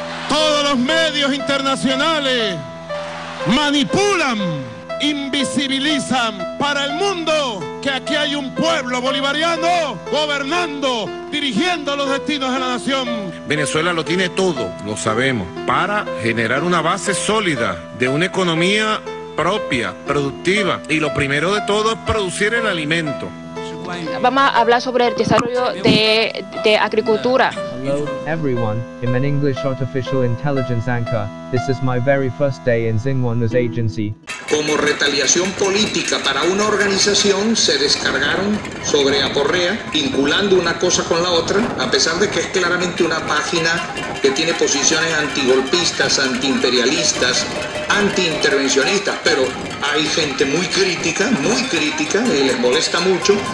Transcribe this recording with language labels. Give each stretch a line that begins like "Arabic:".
Spanish: Todos los medios internacionales manipulan, invisibilizan para el mundo que aquí hay un pueblo bolivariano gobernando, dirigiendo los destinos de la nación. Venezuela lo tiene todo, lo sabemos, para generar una base sólida de una economía propia, productiva, y lo primero de todo es producir el alimento. Vamos a hablar sobre el desarrollo de agricultura.
English: Hello everyone, I'm an English artificial intelligence anchor. This is my very first day in Xinhua's agency.
Spanish: Como retaliación política para una organización, se descargaron sobre Aporrea, vinculando una cosa con la otra, a pesar de que es claramente una página que tiene posiciones antigolpistas, antiimperialistas, antiintervencionistas, pero hay gente muy crítica, y les molesta mucho.